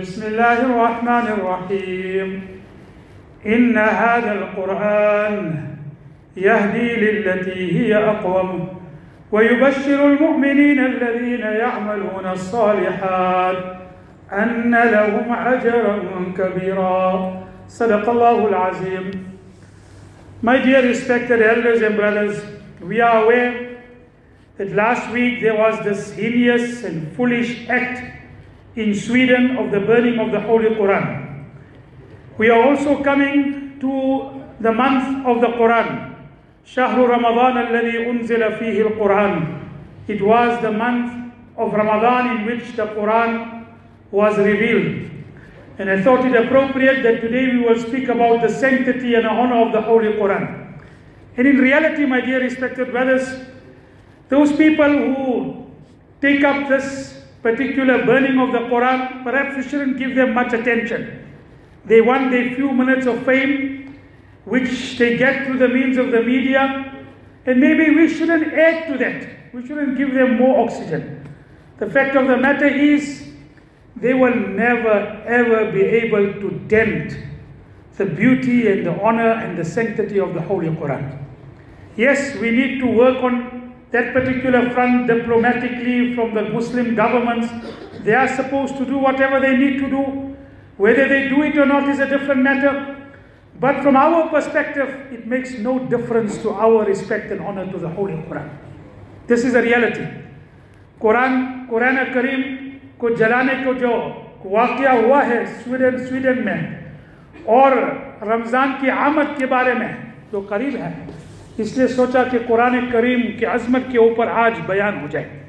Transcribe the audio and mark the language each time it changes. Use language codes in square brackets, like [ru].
[ar] بسم الله الرحمن الرحيم. إن هذا القرآن يهدي للتي هي أقوم ويبشر المؤمنين الذين يعملون الصالحات أن لهم أجرا كبيرا. صدق الله العظيم. [en] My dear respected elders and brothers, we are aware that last week there was this heinous and foolish act in Sweden of the burning of the Holy Quran. We are also coming to the month of the Quran. [ar] شهر رمضان الذي أنزل فيه القرآن. [en] It was the month of Ramadan in which the Quran was revealed. And I thought it appropriate that today we will speak about the sanctity and the honor of the Holy Quran. And in reality, my dear respected brothers, those people who take up this particular burning of the Quran, perhaps we shouldn't give them much attention. They want their few minutes of fame, which they get through the means of the media, and maybe we shouldn't add to that. We shouldn't give them more oxygen. The fact of the matter is, they will never ever be able to dent the beauty and the honor and the sanctity of the Holy Quran. Yes, we need to work on that particular front diplomatically from the Muslim governments. They are supposed to do whatever they need to do. Whether they do it or not is a different matter. But from our perspective, it makes no difference to our respect and honor to the Holy Quran. This is a reality. [ur] Quran al-Karim, کو جلانے کو جو واقعہ ہوا ہے Sweden میں، اور رمضان کی آمد کے بارے میں جو قریب ہے، اس لیے سوچا کہ قرآن کریم کی عظمت کے اوپر آج بیان ہو جائے.